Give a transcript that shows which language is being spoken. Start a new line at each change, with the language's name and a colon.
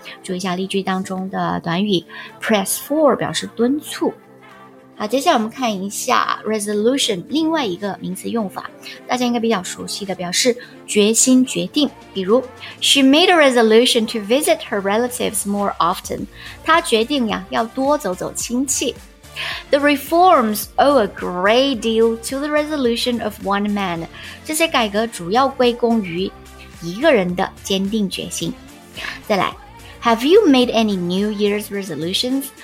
Chinese: 注意一下例句当中的短语 press for 表示敦促。好，接下来我们看一下 resolution 另外一个名词用法，大家应该比较熟悉的，表示决心决定。比如
English: She made a resolution to visit her relatives more often.
Chinese: 她决定呀要多走走亲戚。
English: The reforms owe a great deal to the resolution of one man.
Chinese: 这些改革主要归功于一个人的坚定决心。再来
English: ,Have you made any New Year's resolutions?